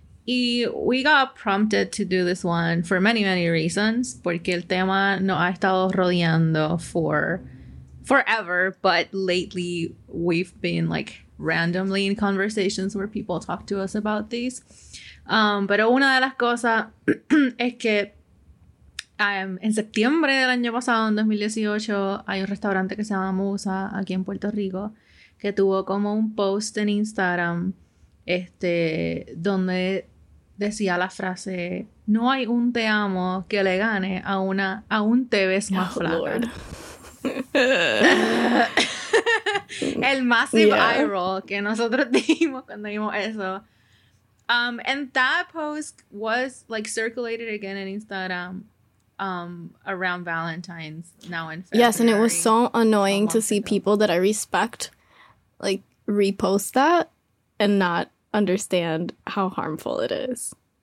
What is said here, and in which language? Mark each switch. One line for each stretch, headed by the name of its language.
English: Y we got prompted to do this one for many, many reasons,
Spanish: porque el tema nos ha estado rodeando
English: for forever, but lately we've been like randomly in conversations where people talk to us about these.
Spanish: Pero una de las cosas es que en septiembre del año pasado, en 2018, hay un restaurante que se llama Musa aquí en Puerto Rico que tuvo como un post en Instagram donde decía la frase: no hay un te amo que le gane a una a un te ves más flaca. Lord.
English: El massive yeah. eye roll
Spanish: que nosotros dijimos cuando vimos eso.
English: And that post was like circulated again in Instagram around Valentine's now in February. Yes, and it was so annoying to see people that I respect like repost that and not understand how harmful it is.